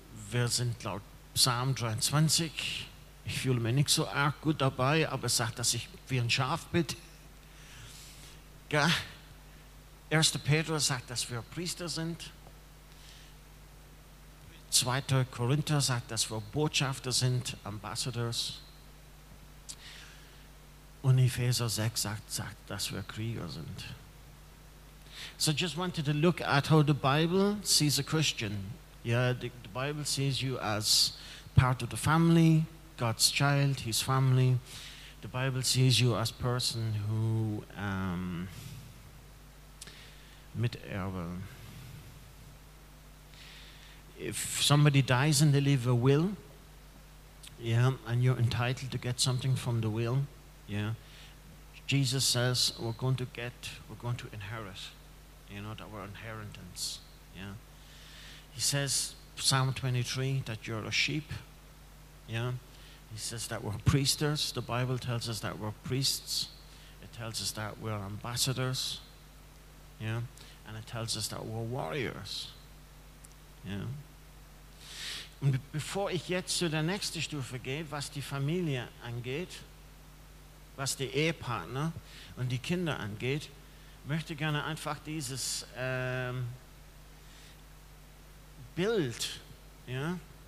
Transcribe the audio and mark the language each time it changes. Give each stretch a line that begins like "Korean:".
German: Wir sind laut Psalm 23. Ich fühle mich nicht so arg gut dabei, aber es sagt, dass ich wie ein Schaf bin. Ja? 1. Petrus sagt, dass wir Priester sind. 2. Korinther sagt, dass wir Botschafter sind, Ambassadors. Und Epheser 6 sagt, dass wir Krieger sind.
English: So I just wanted to look at how the Bible sees a Christian. Yeah, the Bible sees you as part of the family, God's child, his family. The Bible sees you as a person who miterbe. If somebody dies and they leave a will, yeah, and you're entitled to get something from the will, yeah, Jesus says we're going to inherit, you know, that we're inheritance. Yeah, he says Psalm 23 that you're a sheep. Yeah, he says that we're priests. The Bible tells us that we're priests. It tells us that we're ambassadors. Yeah, and it tells us that we're warriors. Yeah.
German: Und bevor ich jetzt zu der nächsten Stufe gehe, was die Familie angeht, was die Ehepartner und die Kinder angeht, möchte gerne einfach dieses Bild, ja,